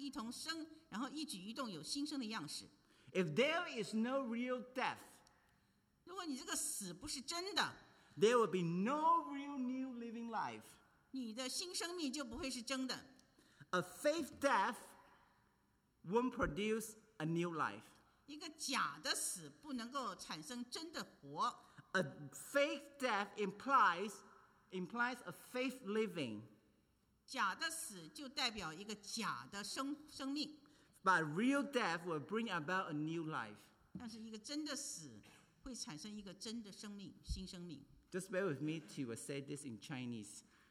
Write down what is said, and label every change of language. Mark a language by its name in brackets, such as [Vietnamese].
[Chinese] 所以我们借着洗礼能够和他一同生，然后一举一动有新生的样式。 [English] If there is no real death, [Chinese] 如果你这个死不是真的, [English] there will be no real new living life. [Chinese] 你的新生命就不会是真的。 [English] A fake death won't produce a new life. [Chinese] 一个假的死不能够产生真的活。 [English] A fake death implies a fake living. [Chinese] 假的死就代表一个假的生命。 [English] But real death will bring about a new life. [Chinese] 但是一个真的死会产生一个真的生命，新生命。 [English] Just bear with me to say this in Chinese.